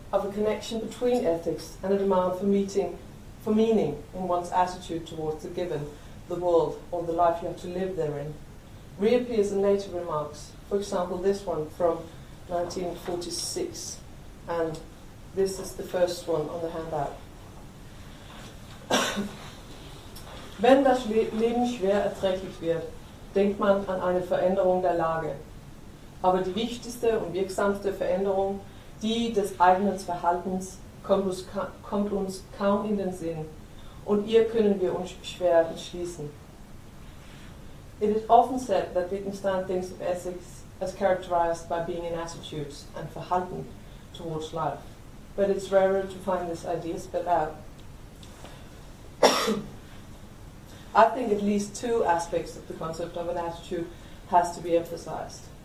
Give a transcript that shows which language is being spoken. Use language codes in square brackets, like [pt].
[en] of a connection between ethics and a demand for meeting, for meaning in one's attitude towards the given, the world, or the life you have to live therein, reappears in later remarks, for example, this one from 1946, and this is the first one on the handout. [de] Wenn das Leben schwer erträglich wird, denkt man an eine Veränderung der Lage. Aber die wichtigste und wirksamste Veränderung, die des eigenen Verhaltens, kommt uns kaum in den Sinn. Und ihr können wir uns schwer entschließen. [en] It is often said that Wittgenstein thinks of ethics as characterized by being in attitudes and Verhalten towards life. But it's rarer to find this idea spelled out. I think at least two aspects of the concept of an attitude has to be emphasized.